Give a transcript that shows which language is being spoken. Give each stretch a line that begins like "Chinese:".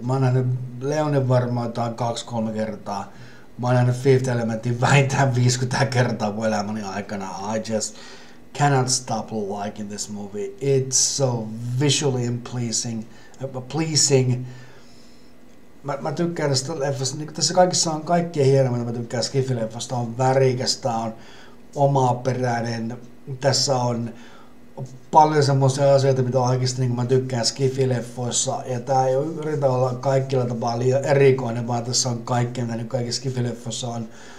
Finnish: Mä oon nähnyt Leonin varmaan jotain 2-3 kertaa. Mä oon nähnyt Fifth Elementin vähintään 50 kertaa mun elämäni aikana.
English: I just cannot stop liking this movie. It's so visually pleasing.
Finnish: Mä tykkään tästä leffasta. Niin, tässä kaikissa on kaikkein hienoa, mitä mä tykkään skifileffasta. On värikäs, tää on omaperäinen. Tässä on paljon semmoisia asioita, mitä oikeasti niin mä tykkään skifileffoissa. Ja tää ei yritä olla kaikilla tapaa liian erikoinen, vaan tässä on kaikkea, mitä kaikissa skifileffoissa on.